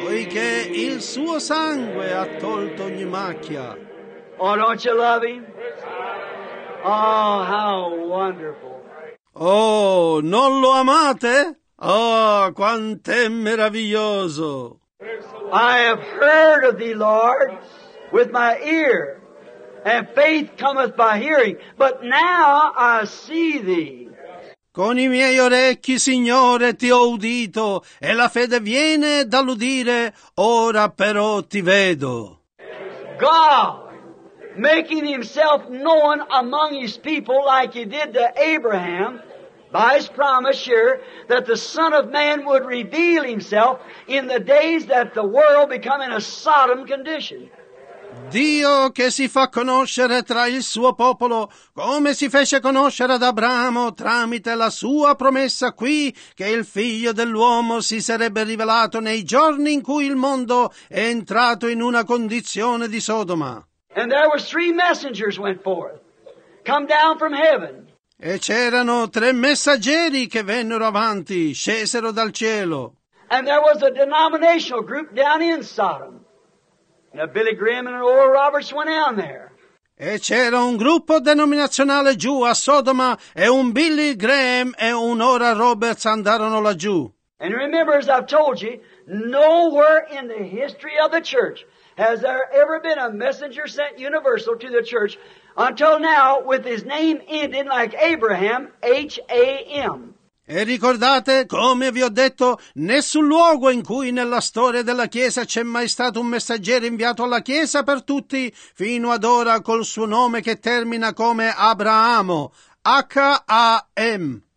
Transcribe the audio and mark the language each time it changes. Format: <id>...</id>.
<it>Che il suo sangue ha tolto ogni macchia.</it> <en>Oh, don't you love him? Oh, how wonderful.</en> <it>Oh, non lo amate? Oh, quant'è meraviglioso.</it> <en>I have heard of thee, Lord, with my ear, and faith cometh by hearing, but now I see thee.</en> <it>Con i miei orecchi, Signore, ti ho udito, e la fede viene dall'udire, ora però ti vedo.</it> <en>God making himself known among his people like he did to Abraham by his promise here that the Son of Man would reveal himself in the days that the world become in a Sodom condition.</en> <it>Dio che si fa conoscere tra il suo popolo, come si fece conoscere ad Abramo tramite la sua promessa qui che il figlio dell'uomo si sarebbe rivelato nei giorni in cui il mondo è entrato in una condizione di Sodoma.</it> <en>And there were three messengers went forth, come down from heaven.</en> <it>E c'erano tre messaggeri che vennero avanti, scesero dal cielo.</it> <en>And there was a denominational group down in Sodom. Now Billy Graham and Oral Roberts went down there.</en> <it>E c'era un gruppo denominazionale giù a Sodoma e un Billy Graham e un Oral Roberts andarono laggiù.</it> <en>And remember, as I've told you, nowhere in the history of the church has there ever been a messenger sent universal to the church until now with his name ending like Abraham, H-A-M.</en> <it>E ricordate, come vi ho detto, nessun luogo in cui nella storia della Chiesa c'è mai stato un messaggero inviato alla Chiesa per tutti, fino ad ora col suo nome che termina come Abramo, H-A-M.</it>